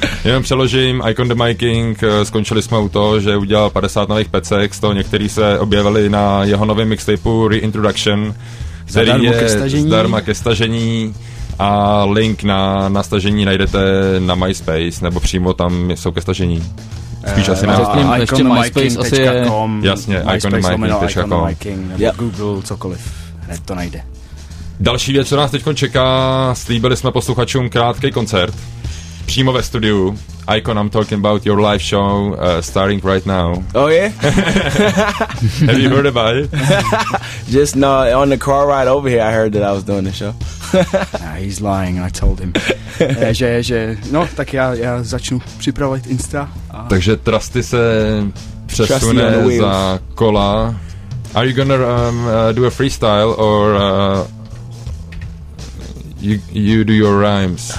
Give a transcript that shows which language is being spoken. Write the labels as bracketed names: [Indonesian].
[Czech] Jenom přeložím, Icon The Mic King, skončili jsme u toho, že udělal 50 nových pecek, z toho některý se objevili na jeho novém mixtapu Reintroduction, který je zdarma ke stažení a link na stažení najdete na MySpace, nebo přímo tam jsou ke stažení. Spíš asi na iconthemicking.com. Jasně, iconthemicking.com. Google, cokoliv, hned to najde. Další věc, co nás teď čeká, slíbili jsme posluchačům krátký koncert. Přímo ve studiu. [English] Icon, I'm talking about your live show starting right now. Oh yeah? Have you heard about it? Just no, on the car ride over here I heard that I was doing the show. Nah, he's lying, I told him. [Czech] že no, tak já začnu připravovat Insta. Takže Trusty se přesune za kola. [English] Are you gonna do a freestyle or... You do your rhymes.